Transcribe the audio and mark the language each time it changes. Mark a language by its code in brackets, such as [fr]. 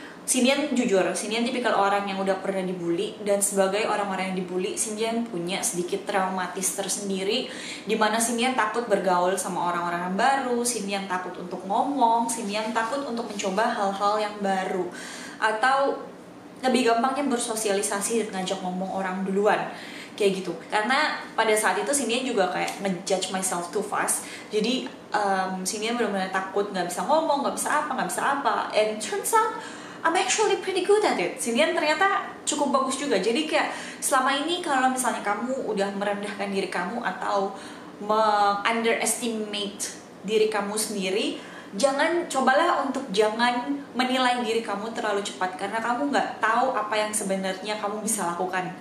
[id] Sindian jujur, Sindian tipikal orang yang udah pernah dibully, dan sebagai orang-orang yang dibully, Sindian punya sedikit traumatis tersendiri di mana Sindian takut bergaul sama orang-orang baru, Sindian takut untuk ngomong, Sindian takut untuk mencoba hal-hal yang baru atau lebih gampangnya bersosialisasi dan ngajak ngomong orang duluan. Kayak gitu, karena pada saat itu Sindian juga kayak ngejudge [en] myself too fast. [id] Jadi Sindian benar-benar takut gak bisa ngomong, gak bisa apa. [en] And turns out, I'm actually pretty good at it. [id] Sindian ternyata cukup bagus juga. Jadi kayak selama ini kalau misalnya kamu udah merendahkan diri kamu atau underestimate diri kamu sendiri, jangan, cobalah untuk jangan menilai diri kamu terlalu cepat, karena kamu gak tahu apa yang sebenarnya kamu bisa lakukan.